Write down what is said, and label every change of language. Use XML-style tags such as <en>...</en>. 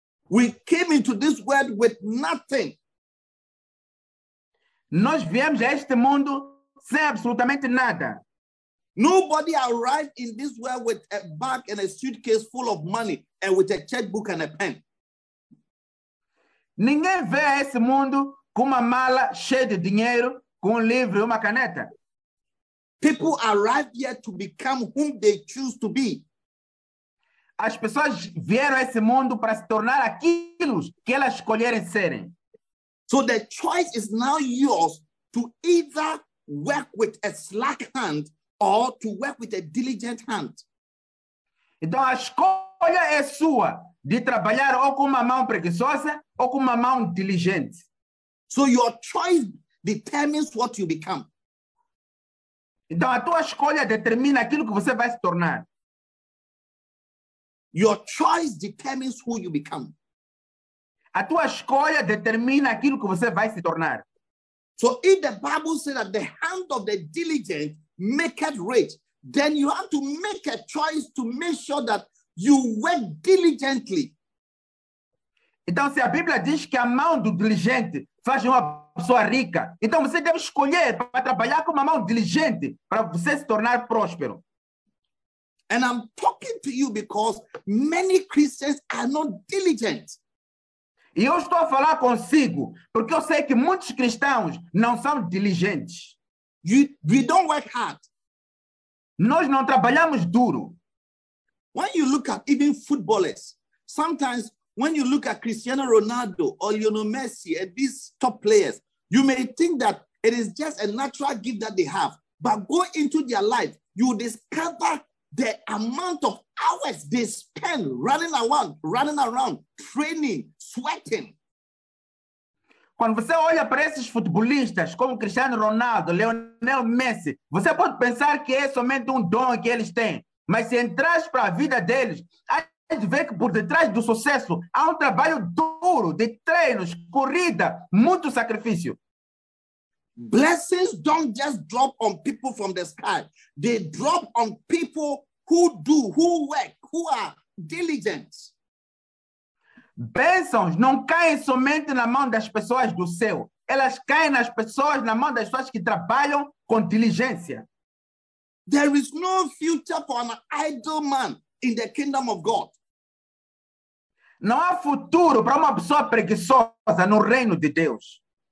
<en>We came into this world with nothing.</en> <pt>Nós viemos a este mundo sem absolutamente nada.</pt> <en>Nobody arrived in this world with a bag and a suitcase full of money and with a checkbook and a pen.</en> <pt>Ninguém veio a esse mundo com uma mala cheia de dinheiro, com livro e uma caneta.</pt> <en>People arrive here to become whom they choose to be.</en> <pt>As pessoas vieram a esse mundo para se tornar aquilo que elas escolherem serem.</pt> <en>So the choice is now yours to either work with a slack hand or to work with a diligent hand.</en> <pt>Então a escolha é sua de trabalhar ou com uma mão preguiçosa ou com uma mão diligente.</pt> <en>So your choice determines what you become.</en> <pt>Então a tua escolha determina aquilo que você vai se tornar.</pt> <en>Your choice determines who you become.</en> <pt>A tua escolha determina aquilo que você vai se tornar.</pt> <en>So if the Bible says that the hand of the diligent maketh rich, then you have to make a choice to make sure that you work diligently.</en> <pt>Então, se a Bíblia diz que a mão do diligente faz uma pessoa rica, então você deve escolher para trabalhar com uma mão diligente para você se tornar próspero.</pt> <en>And I'm talking to you because many Christians are not diligent.</en> <pt>E eu estou a falar consigo, porque eu sei que muitos cristãos não são diligentes.</pt> <en>We don't work hard.</en> <pt>Nós não trabalhamos duro.</pt> <en>When you look at even footballers, sometimes when you look at Cristiano Ronaldo or Lionel Messi and these top players, you may think that it is just a natural gift that they have. But go into their life, you discover the amount of hours they spend running around, training, sweating.</en> <pt>Quando você olha para esses futebolistas como Cristiano Ronaldo, Lionel Messi, você pode pensar que é somente dom que eles têm. Mas se entras para a vida deles, a gente vê que por detrás do sucesso há trabalho duro, de treinos, corrida, muito sacrifício.</pt> <en>Blessings don't just drop on people from the sky. They drop on people who do, who work, who are diligent.</en> <pt>Bênçãos não caem somente na mão das pessoas do céu. Elas caem nas pessoas, na mão das pessoas que trabalham com diligência.</pt> <en>There is no future for an idle man in the kingdom of God.</en> <pt>Não há futuro para uma pessoa preguiçosa no reino de Deus.</pt>